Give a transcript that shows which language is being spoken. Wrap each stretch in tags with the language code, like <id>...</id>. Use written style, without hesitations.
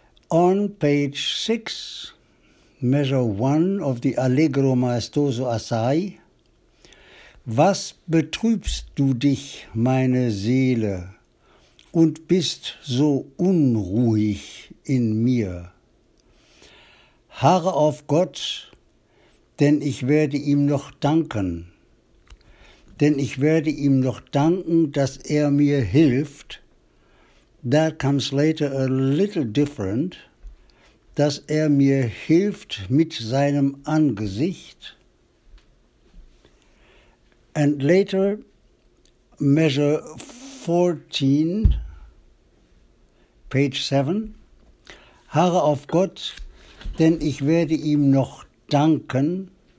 <en>On page 6, measure 1 of the Allegro Maestoso Assai,</en> <de>was betrübst du dich, meine Seele, und bist so unruhig in mir? Harre auf Gott, denn ich werde ihm noch danken. Denn ich werde ihm noch danken, dass er mir hilft.</de> <en>That comes later a little different.</en> <de>Dass er mir hilft mit seinem Angesicht.</de> <en>And later, measure 14, page 7.</en> <de>Harre auf Gott, denn ich werde ihm noch danken.</de>